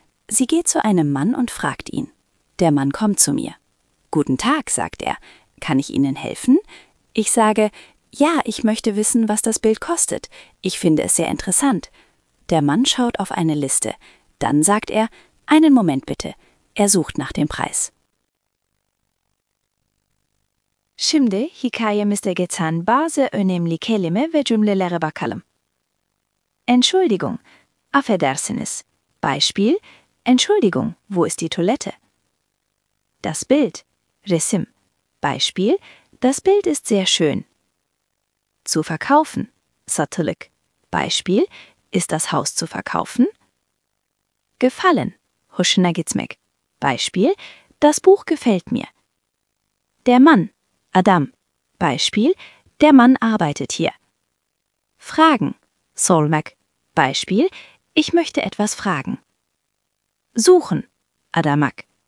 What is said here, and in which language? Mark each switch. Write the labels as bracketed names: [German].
[German] Sie geht zu einem Mann und fragt ihn. Der Mann kommt zu mir. Guten Tag, sagt er. Kann ich Ihnen helfen? Ich sage, ja, ich möchte wissen, was das Bild kostet. Ich finde es sehr interessant. Der Mann schaut auf eine Liste. Dann sagt er, einen Moment bitte. Er sucht nach dem Preis. [Turkish] Şimdi hikayemizde geçen bazı önemli kelime ve cümlelere bakalım. [German] Entschuldigung, [Turkish] affedersiniz. [German] Beispiel, Entschuldigung, wo ist die Toilette? Das Bild, [Turkish] Resim. [German] Beispiel, das Bild ist sehr schön. Zu verkaufen, [Turkish] Satılık. [German] Beispiel, ist das Haus zu verkaufen? Gefallen, [Turkish] hoşuna gitmek. [German] Beispiel, das Buch gefällt mir. Der Mann. [Turkish] Adam. [German] Beispiel, der Mann arbeitet hier. Fragen. [Turkish] Sormak. [German] Beispiel, ich möchte etwas fragen. Suchen. [Turkish] Adamak.